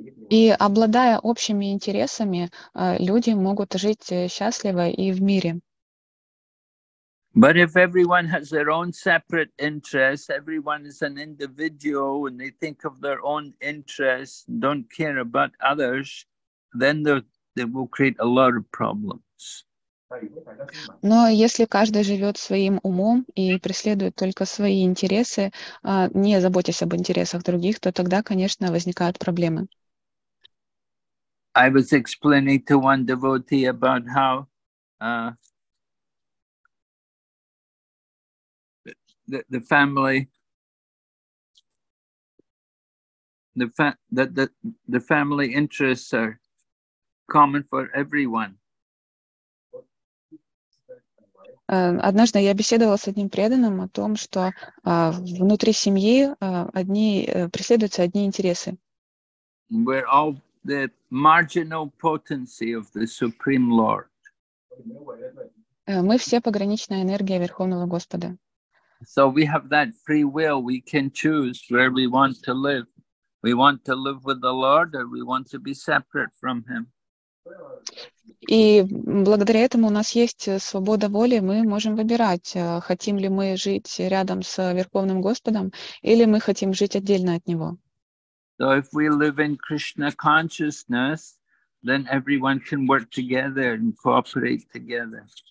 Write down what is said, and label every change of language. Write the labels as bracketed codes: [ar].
[ru] И обладая общими интересами, люди могут жить счастливо и в мире. [en] But if everyone has their own separate interests, everyone is an individual and they think of their own interests, don't care about others, then they will create a lot of problems. [ru] Но если каждый живет своим умом и преследует только свои интересы, не заботясь об интересах других, то тогда, конечно, возникают проблемы. [en] I was explaining to one devotee about how the family interests are common for everyone. [ru] Однажды я беседовала с одним преданным о том, что внутри семьи преследуются одни интересы. [en] We're all the marginal potency of the Supreme Lord. [ru] Мы все пограничная энергия Верховного Господа. [en] So we have that free will. We can choose where we want to live. We want to live with the Lord, or we want to be separate from Him. [ru] И благодаря этому у нас есть свобода воли. Мы можем выбирать, хотим ли мы жить рядом с Верховным Господом, или мы хотим жить отдельно от Него. [en] So if we live in Krishna consciousness, then everyone can work together and cooperate together.